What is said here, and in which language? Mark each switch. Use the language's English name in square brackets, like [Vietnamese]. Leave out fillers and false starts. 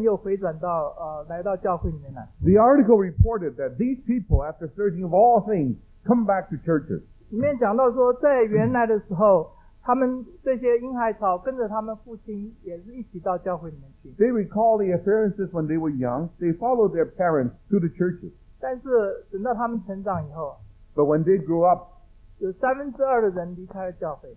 [Chinese] 那这篇文章呢又讲到说这群人很多人又回转到来到教会里面来。 [English] The article reported that these people, after searching of all things, come back to churches. [Chinese] 里面讲到说在原来的时候 他们这些婴孩草跟着他们父亲也是一起到教会里面去。 [English] They recall the appearances when they were young. They followed their parents to the churches. [Chinese] 但是等到他们成长以后, [English] but when they grew up, [Chinese] 有三分之二的人离开了教会。